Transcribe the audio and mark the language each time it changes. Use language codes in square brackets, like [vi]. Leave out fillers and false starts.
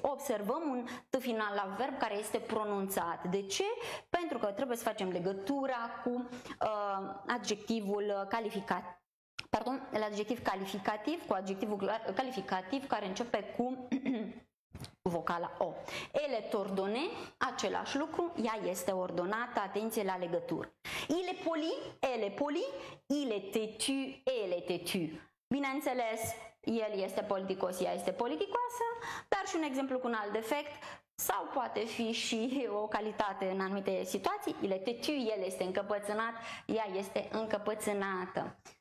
[ro] Observăm un T final la verb care este pronunțat. De ce? Pentru că trebuie să facem legătura cu adjectivul calificat. [fr] Pardon, l'adjectif [ro] calificativ cu adjectivul calificativ care începe cu... vocala O. [fr] Elle est ordonnée, [ro] același lucru, ea este ordonată, atenție la legătură. [fr] Il est poli, elle est poli, il est têtu, elle est têtu. [ro] Bineînțeles, el este politicos, ea este politicoasă, dar și un exemplu cu un alt defect, sau poate fi și o calitate în anumite situații, [fr] il est têtu, [ro] el este încăpățânat, ea este încăpățânată.